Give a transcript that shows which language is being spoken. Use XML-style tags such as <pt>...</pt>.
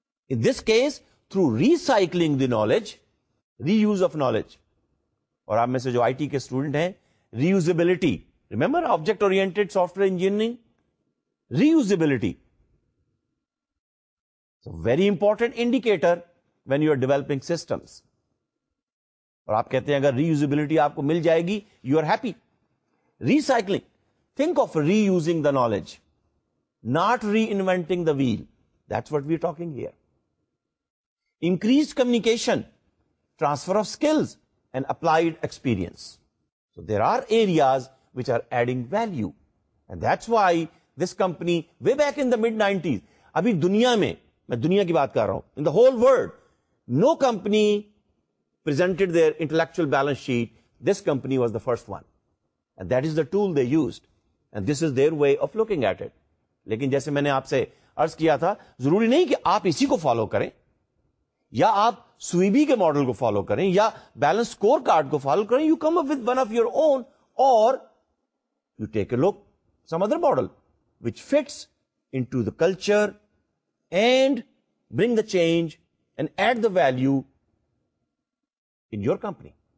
<en>In this case, through recycling the knowledge, reuse of knowledge.</en> <ur>Aur aap mein se jo IT ke student hain, reusability.</ur> <en>Remember object-oriented software engineering? Reusability. It's a very important indicator when you are developing systems.</en> <ur>اور آپ کہتے ہیں اگر reusability آپ کو مل جائے گی,</ur> <en>you are happy. Recycling. Think of reusing the knowledge. Not reinventing the wheel. That's what we are talking here. Increased communication. Transfer of skills and applied experience. So there are areas which are adding value. And that's why this company, way back in the mid-90s,</en> <ur>ابھی دنیا میں, میں دنیا کی بات کر رہا ہوں,</ur> <en>In the whole world no company presented their intellectual balance sheet, this company was the first one. And that is the tool they used, and this is their way of looking at it.</en> <ur>لیکن جیسے میں نے آپ سے عرض کیا تھا, ضروری نہیں کہ آپ اسی کو فالو کریں, یا آپ سویبی کے ماڈل کو فالو کریں, یا بیلنس اسکور کارڈ کو فالو کریں.</ur> <en>You come up with one of your own, اور you take a look some other model which fits into the culture and bring the change and add the value in your company.</en>